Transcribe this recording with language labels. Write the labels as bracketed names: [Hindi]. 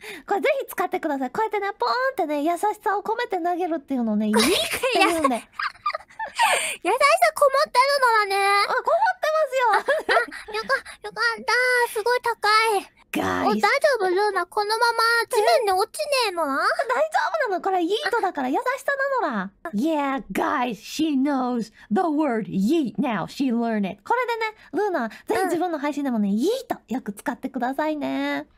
[Japanese] これぜひ使ってください。こうやってね、ポーンってね、優しさを込めて投げるっていうのね、いいって言うんで。優しさこもってるのはね。あ、こもってますよ。よかった。すごい高い。ガイス。大丈夫、ルーナ。このまま地面に落ちねえもん。大丈夫なの？これ、イートだから優しさなのら。 [English] Yeah, guys, she knows the word yeet now. She learned it. [Japanese] これでね、ルーナ、ぜひ自分の配信でもね、イートよく使ってくださいね。